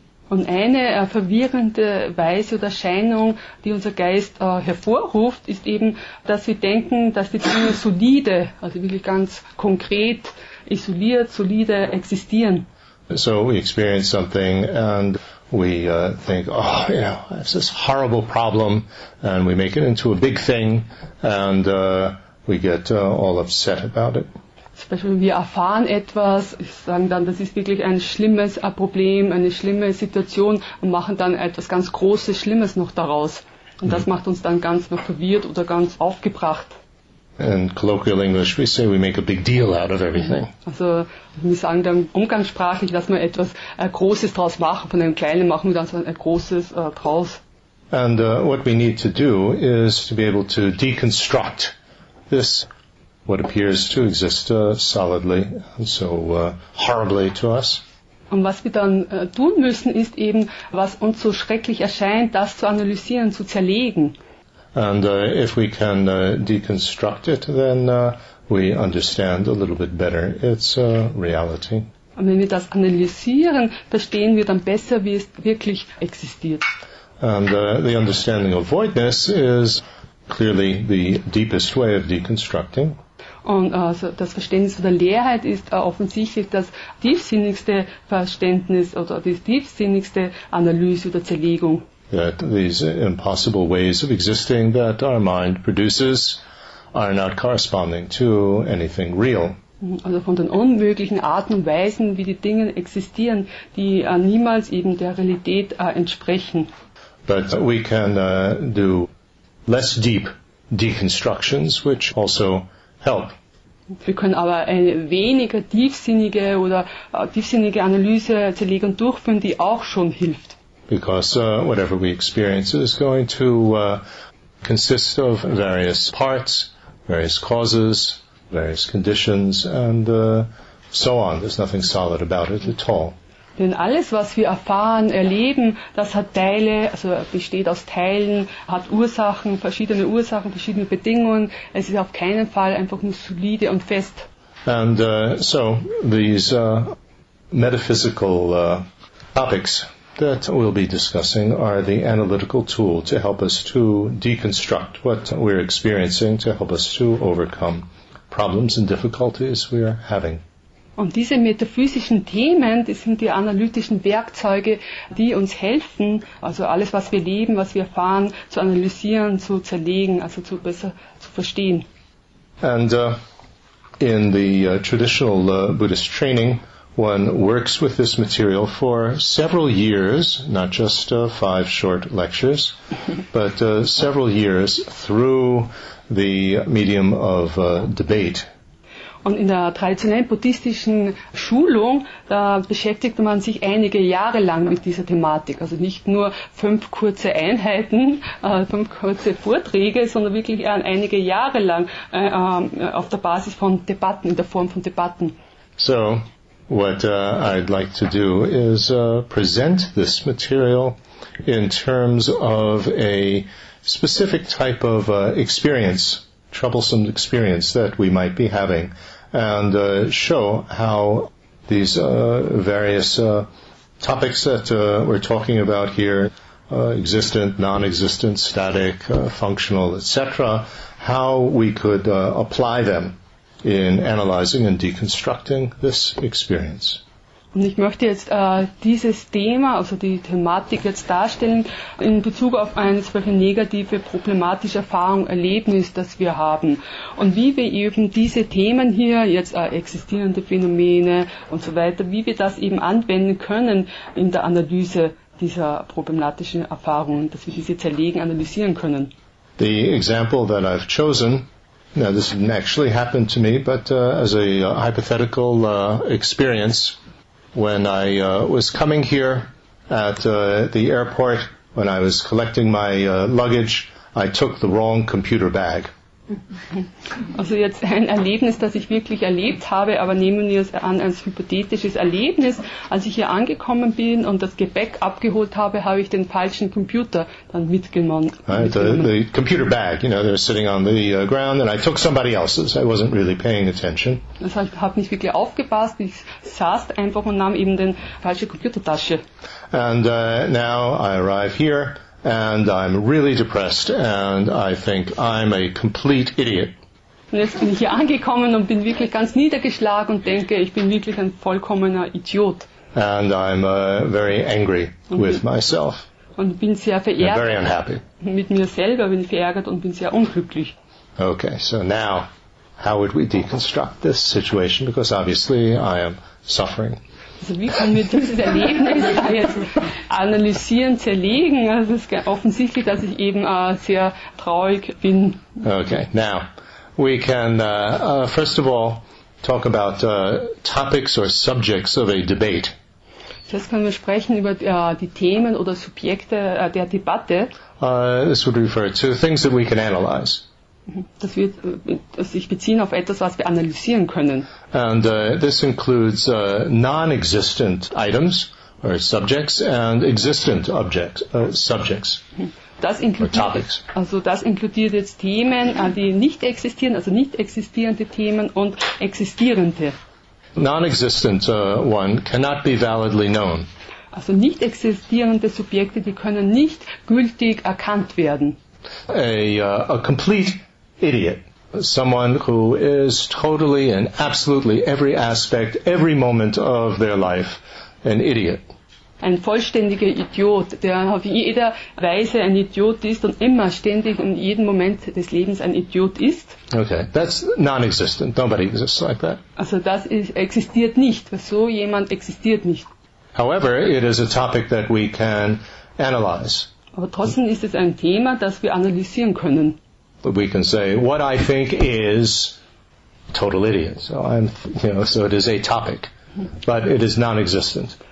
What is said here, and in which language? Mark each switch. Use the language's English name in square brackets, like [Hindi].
[German] Und eine verwirrende Weise oder Erscheinung, die unser Geist hervorruft, ist eben, dass wir denken, dass die Dinge solide, also wirklich ganz konkret, isoliert, solide existieren. [English] So we experience something and we think, oh, you know, it's this horrible problem, and we make it into a big thing, and we get all upset about it. [German] Zum Beispiel, wir erfahren etwas, sagen dann, das ist wirklich ein schlimmes Problem, eine schlimme Situation, und machen dann etwas ganz Großes, Schlimmes noch daraus. Und das macht uns dann ganz noch verwirrt oder ganz aufgebracht. [English] In colloquial English, we say we make a big deal out of everything. [German] Also, wir sagen dann umgangssprachlich, dass wir etwas Großes draus machen, von einem Kleinen machen wir dann so ein Großes draus. [English] And what we need to do is to be able to deconstruct this, what appears to exist solidly and so horribly to us. [German] Und was wir dann tun müssen, ist eben, was uns so schrecklich erscheint, das zu analysieren, zu zerlegen. [English] And if we can deconstruct it, then we understand a little bit better its reality. [German] Und wenn wir das analysieren, verstehen wir dann besser, wie es wirklich existiert. [English] And the understanding of voidness is clearly the deepest way of deconstructing. [German] Und also das Verständnis von der Leerheit ist offensichtlich das tiefsinnigste Verständnis oder die tiefsinnigste Analyse oder Zerlegung. [English] That these impossible ways of existing that our mind produces are not corresponding to anything real. [German] Also von den unmöglichen Arten und Weisen, wie die Dinge existieren, die niemals eben der Realität entsprechen. [English] But we can do less deep deconstructions, which also help. [German] Wir können aber eine weniger tiefsinnige oder tiefsinnige Analyse zerlegen durchführen, die auch schon hilft. [English] Because whatever we experience is going to consist of various parts, various causes, various conditions, and so on. There's nothing solid about it at all. [German] Denn alles, was wir erfahren, erleben, das hat Teile, also besteht aus Teilen, hat Ursachen, verschiedene Bedingungen. Es ist auf keinen Fall einfach nur solide und fest. [English] And so these metaphysical topics that we'll be discussing are the analytical tool to help us to deconstruct what we're experiencing, to help us to overcome problems and difficulties we are having. [German] Und diese metaphysischen Themen, das sind die analytischen Werkzeuge, die uns helfen, also alles, was wir leben, was wir erfahren, zu analysieren, zu zerlegen, also zu besser zu verstehen. [English] And in the traditional Buddhist training, one works with this material for several years, not just five short lectures, but several years through the medium of debate. [German] Und in der traditionellen buddhistischen Schulung, da beschäftigte man sich einige Jahre lang mit dieser Thematik. Also nicht nur fünf kurze Einheiten, fünf kurze Vorträge, sondern wirklich einige Jahre lang auf der Basis von Debatten, in der Form von Debatten. [English] So, what I'd like to do is present this material in terms of a specific type of experience, troublesome experience that we might be having, and show how these various topics that we're talking about here, existent, non-existent, static, functional, etc., how we could apply them in analyzing and deconstructing this experience. [German] Und ich möchte jetzt dieses Thema, also die Thematik jetzt darstellen, in Bezug auf eine solche negative, problematische Erfahrung, Erlebnis, das wir haben. Und wie wir eben diese Themen hier, jetzt existierende Phänomene und so weiter, wie wir das eben anwenden können in der Analyse dieser problematischen Erfahrungen, dass wir diese zerlegen, analysieren können. [English] The example that I've chosen, now this didn't actually happen to me, but as a hypothetical experience, when I was coming here at the airport, when I was collecting my luggage, I took the wrong computer bag. [German] Also jetzt ein Erlebnis, das ich wirklich erlebt habe, aber nehmen wir es an als hypothetisches Erlebnis. Als ich hier angekommen bin und das Gepäck abgeholt habe, habe ich den falschen Computer dann mitgenommen. [English] Right, the computer bag, you know, they're sitting on the ground and I took somebody else's. I wasn't really paying attention. [German] Also ich habe nicht wirklich aufgepasst. Ich saß einfach und nahm eben den falschen Computertasche. [English] And now I arrive here. And I'm really depressed, and I think I'm a complete idiot. [German] Und jetzt bin ich hier angekommen und bin wirklich ganz niedergeschlagen und denke, ich bin wirklich ein vollkommener Idiot. [English] And I'm very angry with myself. [German] Und bin sehr verärgert. [English] I'm very unhappy. [German] Mit mir selber bin ich verärgert und bin sehr unglücklich. [English] Okay, so now, how would we deconstruct this situation? Because obviously I am suffering. [German] Also wie können wir dieses Erlebnis jetzt analysieren, zerlegen? Also es ist offensichtlich, dass ich eben sehr traurig bin. [English] Okay, now, we can first of all talk about topics or subjects of a debate. [German] Jetzt können wir sprechen über die Themen oder Subjekte der Debatte. [English] This would refer to things that we can analyze. [German] Das wird sich beziehen auf etwas, was wir analysieren können. [English] And this includes non-existent items or subjects and existent objects, subjects [German] das [English] or topics. [German] Also das inkludiert jetzt Themen, die nicht existieren, also nicht existierende Themen und existierende. [English] Non-existent one cannot be validly known. [German] Also nicht existierende Subjekte, die können nicht gültig erkannt werden. [English] A complete idiot, someone who is totally and absolutely every aspect, every moment of their life, an idiot. [German] Ein vollständiger Idiot, der auf jeder Weise ein Idiot ist und immer ständig in jedem Moment des Lebens ein Idiot ist. [English] Okay, that's non-existent. Nobody exists like that. [German] Also das ist, existiert nicht. So jemand existiert nicht. [English] However, it is a topic that we can analyze. [German] Aber trotzdem ist es ein Thema, das wir analysieren können. [English] But we can say, what I think is total idiot. So I'm, you know, so it is a topic, but it is non-existent.